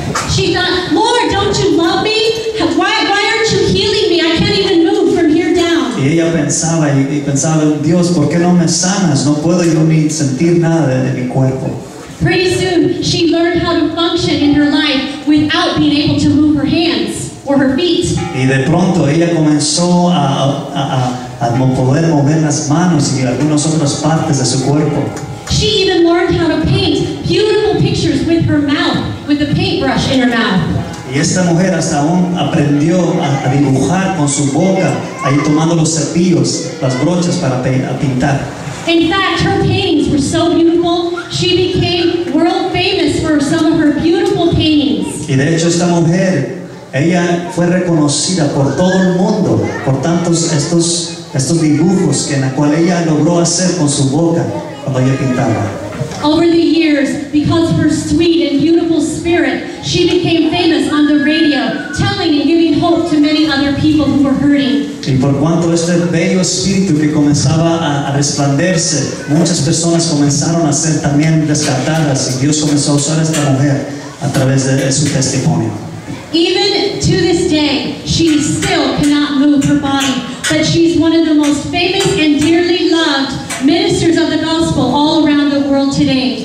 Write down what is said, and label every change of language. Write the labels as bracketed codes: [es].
[en] She thought, Lord, don't you love me? Why aren't you healing me? I can't even move from here down. [es] Y ella pensaba, Dios, ¿por qué no me sanas? No puedo yo ni sentir nada de mi cuerpo. [en] Pretty soon, she learned how to function in her life without being able to move her hands or her feet. [es] Y de pronto ella comenzó a poder mover las manos y algunas otras partes de su cuerpo. [en] She even learned how to paint beautiful pictures with her mouth, with a paintbrush in her mouth. [es] Y esta mujer hasta aún aprendió a dibujar con su boca, ahí tomando los cepillos, las brochas para pintar. [en] In fact, her paintings were so beautiful, she became world famous for some of her beautiful paintings. [es] Y de hecho esta mujer, ella fue reconocida por todo el mundo, por tantos estos dibujos que en la cual ella logró hacer con su boca cuando ella pintaba. [en] Over the years, because of her sweet and beautiful spirit, she became famous on the radio, telling and giving hope to many other people who were hurting. [es] Y por cuanto este bello espíritu que comenzaba a resplandecer, muchas personas comenzaron a ser también rescatadas y Dios comenzó a usar a esta mujer a través de su testimonio. [en] Even to this day, she still cannot move her body, but she's one of the most famous and dearly loved ministers of the gospel all around the world today.